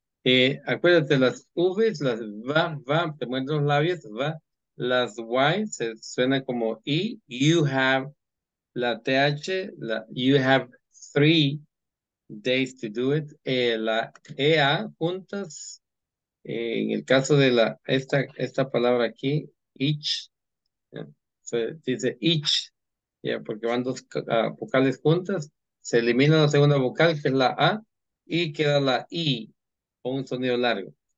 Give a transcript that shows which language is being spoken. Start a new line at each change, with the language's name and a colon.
Spanish: Acuérdate, las V's, las va, va, te muerdo los labios, va. Las Y, se suena como I.
English: You have, la TH, la, you have 3 days to do it.
Spanish: La EA, juntas, en el caso de la, esta palabra aquí, each, se dice each, yeah, porque van dos vocales juntas, se elimina la segunda vocal, que es la A, y queda la I, con un sonido largo.